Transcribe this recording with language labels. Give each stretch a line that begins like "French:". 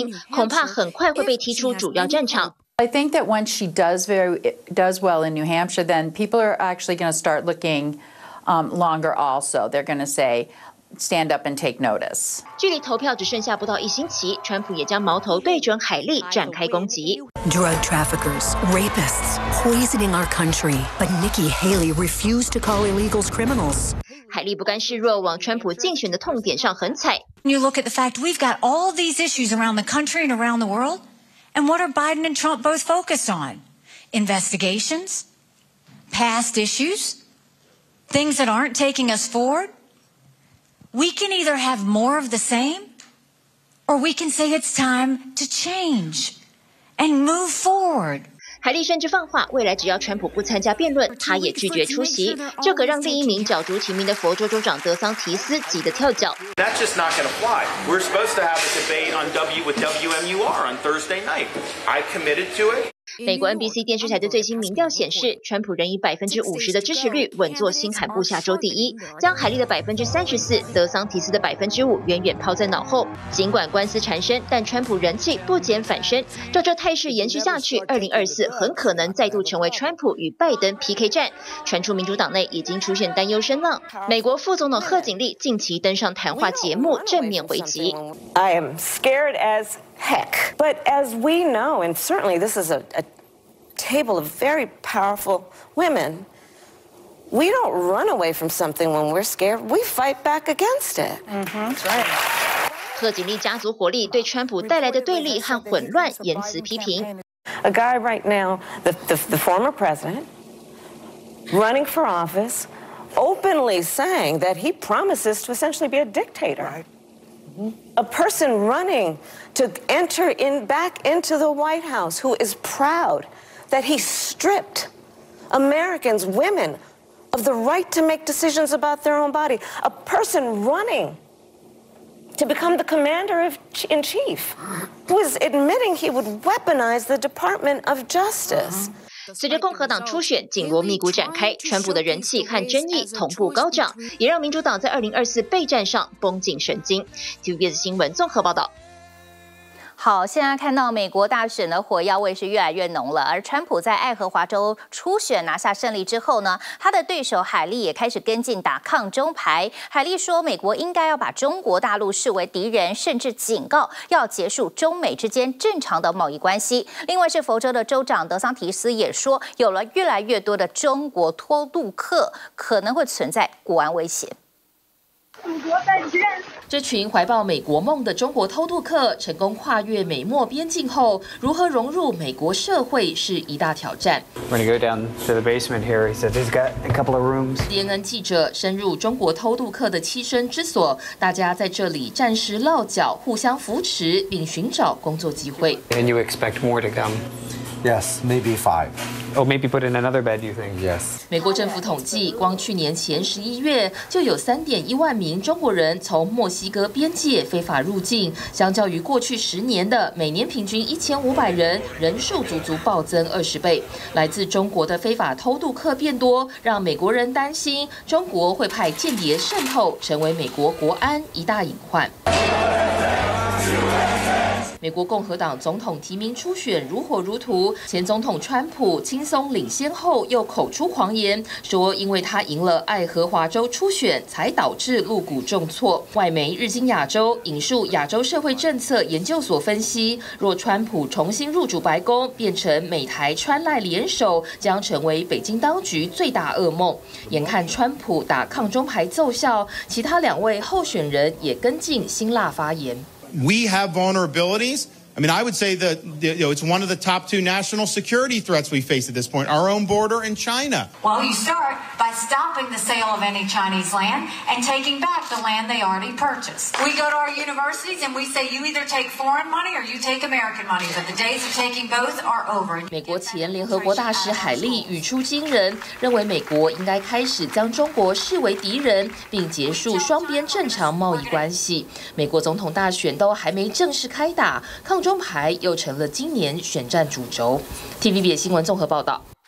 Chinese: 对前驻联合国大使海莉来说，这一仗至关重要，因为爱荷华州初选他只拿下第三名。如果在新罕布夏州表现还是平平，恐怕很快会被踢出主要战场。
English: I think that once she does well in New Hampshire, then people are actually going to start looking longer also. They're going to say, stand up and take notice.
Chinese: 距离投票只剩下不到一星期，川普也将矛头对准海莉展开攻击。
English: Drug traffickers, rapists, poisoning our country. But Nikki Haley refused to call illegals criminals.
Chinese: 海莉不甘示弱，往川普竞选的痛点上狠踩。
English: You look at the fact we've got all these issues around the country and around the world. And what are Biden and Trump both focused on? Investigations? Past issues? Things that aren't taking us forward? We can either have more of the same, or we can say it's time to change and move forward.
Chinese: 海莉甚至放话，未来只要川普不参加辩论，他也拒绝出席。这可让另一名角逐提名的佛州州长德桑提斯急得跳脚。
English: That's just not going to fly. We're supposed to have a debate on WMUR on Thursday night. I committed to it.
Chinese: 美国 NBC 电视台的最新民调显示，川普仍以50%的支持率稳坐新罕布夏州第一，将海莉的34%、德桑提斯的5%远远抛在脑后。尽管官司缠身，但川普人气不减反升。照这态势延续下去，2024很可能再度成为川普与拜登 PK 战。传出民主党内已经出现担忧声浪。美国副总统贺锦丽近期登上谈话节目，正面回击。
English: I am scared as. Heck, but as we know, and certainly this is a table of very powerful women, we don't run away from something when we're scared. We fight back against it. Mm-hmm. That's right.
Chinese: 贺锦丽家族活力对川普带来的对立和混乱言辞批评。
English: A guy right now, the former president, running for office, openly saying that he promises to essentially be a dictator. A person running. To enter in back into the White House, who is proud that he stripped Americans, women, of the right to make decisions about their own body. A person running to become the commander-in-chief, who is admitting he would weaponize the Department of Justice. Uh-huh.
Chinese: 随着共和党初选紧锣密鼓展开，川普的人气和争议同步高涨，也让民主党在2024备战上绷紧神经。 TVBS 新闻综合报道。好，现在看到美国大选的火药味是越来越浓了，而川普在爱荷华州初选拿下胜利之后呢，他的对手海莉也开始跟进打抗中牌。海莉说，美国应该要把中国大陆视为敌人，甚至警告要结束中美之间正常的贸易关系。另外是佛州的州长德桑提斯也说，有了越来越多的中国偷渡客，可能会存在国安威胁。这群怀抱美国梦的中国偷渡客成功跨越美墨边境后，如何融入美国社会是一大挑战。
English: We're gonna go down to the basement here. He said he's got a couple of rooms.
Chinese: CNN 记者深入中国偷渡客的栖身之所，大家在这里暂时落脚，互相扶持，并寻找工作机会。
English: And you expect more to come? Yes, maybe five. Oh, maybe put in another bed, you think? Yes.
Chinese: 美国政府统计，光去年前11月就有3.1万名中国人从墨西哥边界非法入境，相较于过去10年的每年平均1500人，人数足足暴增20倍。来自中国的非法偷渡客变多，让美国人担心中国会派间谍渗透，成为美国国安一大隐患。美国共和党总统提名初选如火如荼，前总统川普轻松领先后又口出狂言，说因为他赢了爱荷华州初选才导致入股重挫。外媒日经亚洲引述亚洲社会政策研究所分析，若川普重新入主白宫，变成美台川赖联手，将成为北京当局最大噩梦。眼看川普打抗中牌奏效，其他两位候选人也跟进辛辣发言。
English: We have vulnerabilities. I mean, I would say that you know, it's one of the top two national security threats we face at this point, our own border and China. Well, you start by stopping the sale of any Chinese land and taking back the land they already purchased. We go to our universities and we say you either take foreign money or you take American money, but the days of taking both are over.
Chinese: 美国前联合国大使海莉语出惊人，认为美国应该开始将中国视为敌人，并结束双边正常贸易关系。美国总统大选都还没正式开打，抗中牌又成了今年选战主轴。 TVBS 新闻综合报道。